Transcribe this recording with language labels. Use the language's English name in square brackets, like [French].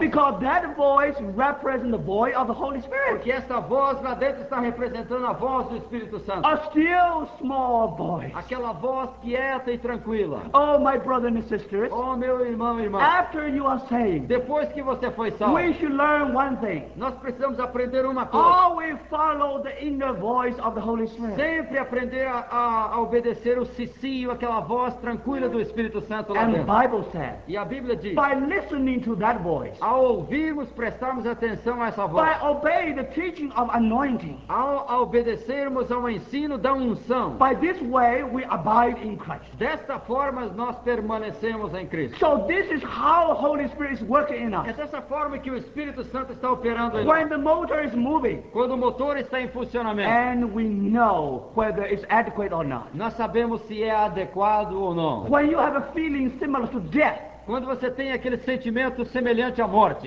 [English] Because that voice represents the voice of the Holy Spirit. [Portuguese] Porque essa voz lá dentro está representando a voz do Espírito Santo. [English] A still small voice. [Portuguese] Aquela voz quieta e tranquila. [English] Oh my brother and sisters. [Portuguese] Oh meu irmão e irmã. [English] After you are saved. [Portuguese] Depois que você foi salvo. [English] We should learn one thing. [Portuguese] Nós precisamos aprender uma coisa. [English] Always follow the inner voice of the Holy Spirit. [Portuguese] Sempre aprender a obedecer o sissi, aquela voz tranquila do Espírito. Espírito Santo lá [English] and [Portuguese] dentro. [English] Bible says, [Portuguese] e a Bíblia diz, [English] by listening to that voice, [Portuguese] ao ouvirmos, prestarmos atenção a essa voz, [English] by obeying the teaching of anointing, [Portuguese] ao obedecermos ao ensino da unção, [English] by this way we abide in Christ. [Portuguese] Desta forma nós permanecemos em Cristo. [English] So this is how Holy Spirit is working in us. [Portuguese] É dessa forma que o Espírito Santo está operando em [English] when [Portuguese] nós. [English] The motor is moving, [Portuguese] quando o motor está em funcionamento, [English] and we know whether it's adequate or not. [Portuguese] Nós sabemos se é adequado ou não. [English] When you have a feeling similar to death, [Portuguese] quando você tem aquele sentimento semelhante à morte,